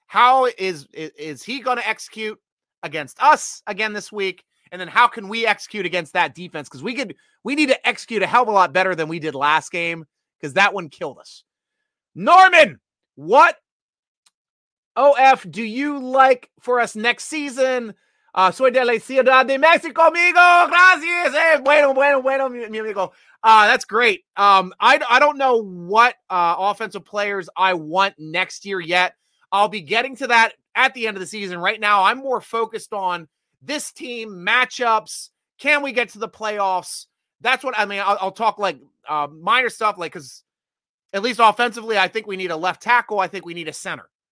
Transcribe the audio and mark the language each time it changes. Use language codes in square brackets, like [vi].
[en] How is he going to execute against us again this week? And then how can we execute against that defense? Because we need to execute a hell of a lot better than we did last game, because that one killed us. Norman, what OF do you like for us next season? [es] Soy de la Ciudad de Mexico, amigo. Gracias. Hey, bueno, mi amigo. [en] That's great. I don't know what offensive players I want next year yet. I'll be getting to that at the end of the season. Right now, I'm more focused on this team, matchups. Can we get to the playoffs? That's what I mean. I'll talk like minor stuff, like, because at least offensively, I think we need a left tackle. I think we need a center.